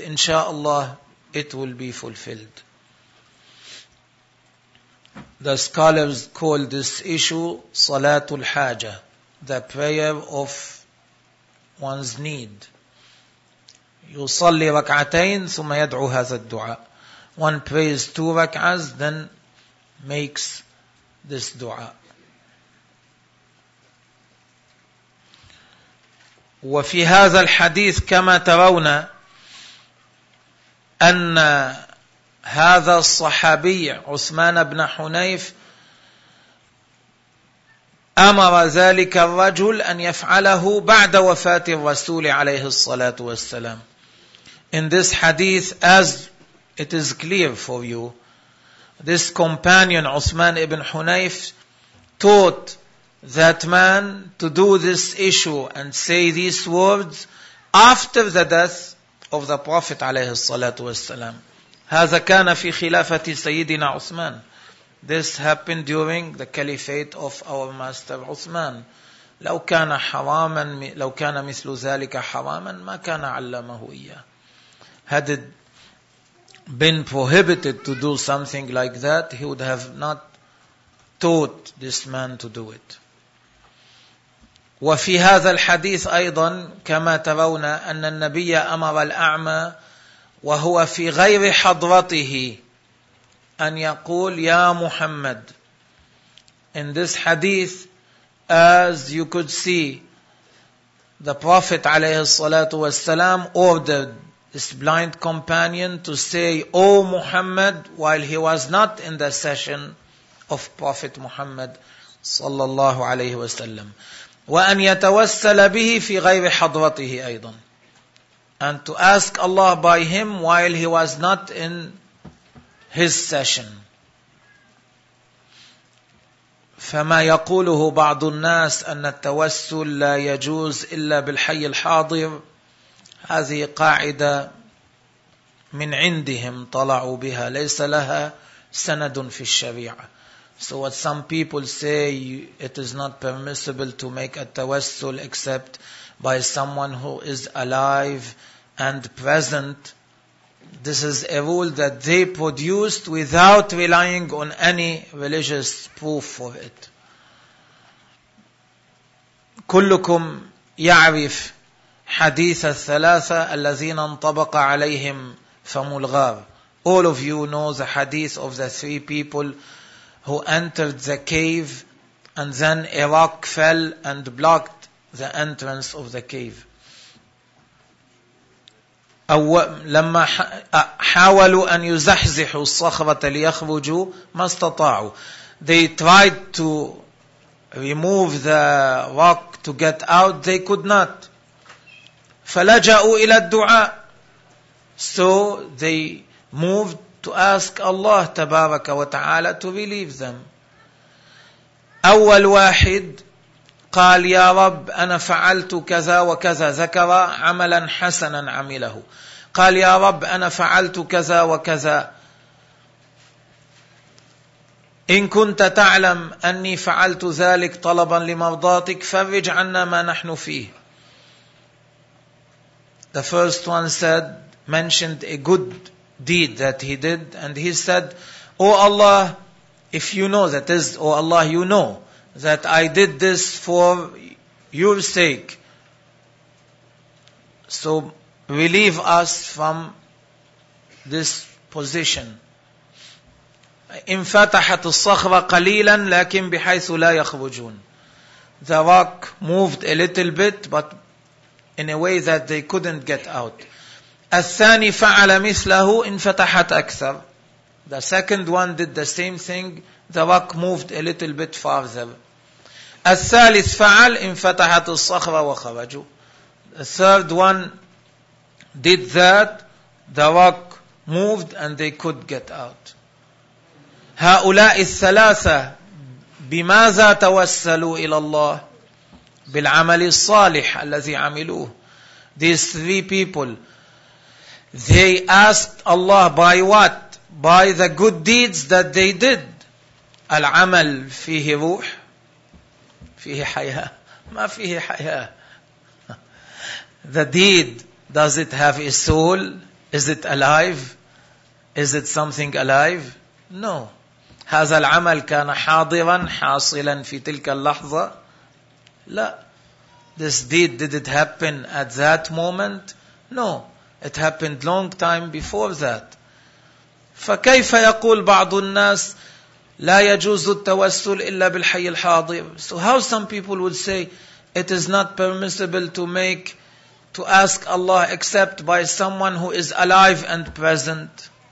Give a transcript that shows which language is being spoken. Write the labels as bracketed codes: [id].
[en] Inshallah, it will be fulfilled. The scholars call this issue Salatul Haja, the prayer of one's need. [ar] يصلي ركعتين ثم يدعو هذا الدعاء. [en] One prays two rak'ahs, then makes this dua. [ar] وفي هذا الحديث كما ترون أن هذا الصحابي عثمان بن حنيف أمر ذلك الرجل أن يفعله بعد وفاة الرسول عليه الصلاة والسلام. [en] In this hadith, as it is clear for you, this companion Uthman ibn Hunayf taught that man to do this issue and say these words after the death of the Prophet [ar] عليه الصلاة والسلام. هذا كان في خلافة سيدنا عثمان. [en] This happened during the caliphate of our master Uthman. [ar] لو كان حراما لو كان مثل ذلك حراما ما كان علمه إياه. [en] Had it been prohibited to do something like that, he would have not taught this man to do it. [ar] وفي هذا الحديث أيضا كما ترون أن النبي أمر الأعمى وهو في غير حضرته أن يقول يا محمد. [en] In this hadith, as you could see, the Prophet [ar] عليه الصلاة والسلام [en] ordered this blind companion to say, O Muhammad, while he was not in the session of Prophet Muhammad [ar] sallallahu alayhi wa sallam. وَأَنْ يَتَوَسَّلَ بِهِ فِي غَيْرِ حَضْرَتِهِ أَيْضًا. [en] And to ask Allah by him while he was not in his session. [ar] فَمَا يَقُولُهُ بَعْضُ النَّاسِ أَنَّ التَّوَسُّلْ لَا يَجُوزْ إِلَّا بِالْحَيِّ الْحَاضِرِ. هذه قاعدة من عندهم طلعوا بها ليس لها سند في الشريعة. [en] So what some people say, it is not permissible to make a tawassul except by someone who is alive and present. This is a rule that they produced without relying on any religious proof for it. [ar] كلكم يعرف حديث الثلاثة الذين انطبق عليهم فم الغار. [en] All of you know the hadith of the three people who entered the cave and then a rock fell and blocked the entrance of the cave. [ar] لما حاولوا أن يزحزحوا الصخرة ليخرجوا ما استطاعوا. [en] They tried to remove the rock to get out, they could not. [ar] فلجأوا إلى الدعاء. [en] So they moved to ask Allah [ar] تبارك وتعالى [en] to relieve them. [ar] أول واحد قال يا رب أنا فعلت كذا وكذا, ذكر عملا حسنا عمله. قال يا رب أنا فعلت كذا وكذا, إن كنت تعلم أني فعلت ذلك طلبا لمرضاتك فرج عنا ما نحن فيه. [en] The first one said, mentioned a good deed that he did, and he said, O Allah, if you know, that is, O Allah, you know that I did this for your sake, so relieve us from this position. [ar] انفتحت الصخرة قليلا لكن بحيث لا يخرجون. [en] The rock moved a little bit, but in a way that they couldn't get out. [ar] الثاني فعل مثله انفتحت أكثر. [en] The second one did the same thing, the rock moved a little bit farther. [ar] الثالث فعل انفتحت الصخرة وخرجوا. [en] The third one did that, the rock moved and they could get out. [ar] هؤلاء الثلاثة بماذا توسلوا إلى الله؟ بالعمل الصالح الذي عملوه. [en] These three people, they asked Allah by what? By the good deeds that they did. [ar] العمل فيه روح, فيه حياة, ما فيه حياة. [en] The deed, does it have a soul? Is it alive? Is it something alive? No. [ar] هذا العمل كان حاضرا حاصلا في تلك اللحظة. لا. [en] This deed, did it happen at that moment? No. It happened long time before that. [ar] فَكَيْفَ يَقُولُ بَعْضُ النَّاسِ لَا يَجُوزُ التَّوَسُّلُ إِلَّا بِالْحَيِّ الْحَاضِرِ. [en] So how some people would say it is not permissible to ask Allah except by someone who is alive and present.